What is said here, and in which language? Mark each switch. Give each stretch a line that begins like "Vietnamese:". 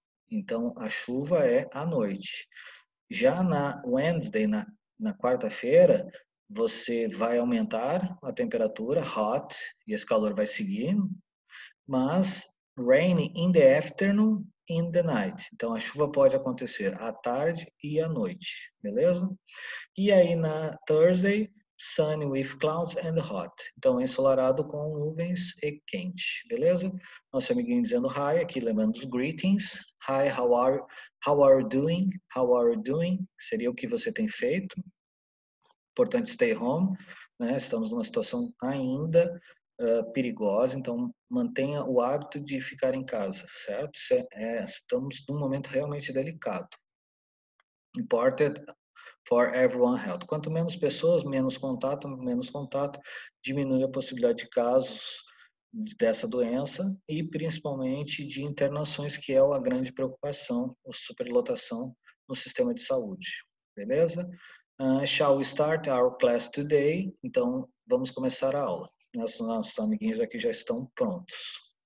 Portuguese: Então a chuva é à noite. Já na Wednesday, na quarta-feira, você vai aumentar a temperatura, hot, e esse calor vai seguir, mas
English: rainy in the afternoon, in the night.
Portuguese: Então a chuva pode acontecer à tarde e à noite, beleza? E aí na
English: Thursday, sunny with clouds and hot.
Portuguese: Então ensolarado com nuvens e quente, beleza? Nosso amiguinho dizendo
English: hi,
Portuguese: aqui lembrando os
English: greetings. Hi, how are you doing? How are you doing?
Portuguese: Seria o que você tem feito. Importante
English: stay home,
Portuguese: né? Estamos numa situação ainda perigosa, então mantenha o hábito de ficar em casa, certo? Estamos num momento realmente delicado.
English: Important for everyone health.
Portuguese: Quanto menos pessoas, menos contato, diminui a possibilidade de casos dessa doença e principalmente de internações, que é a grande preocupação, a superlotação no sistema de saúde, beleza?
English: Shall we start our class today?
Portuguese: Então, vamos começar a aula. Nossos amiguinhos aqui já estão prontos.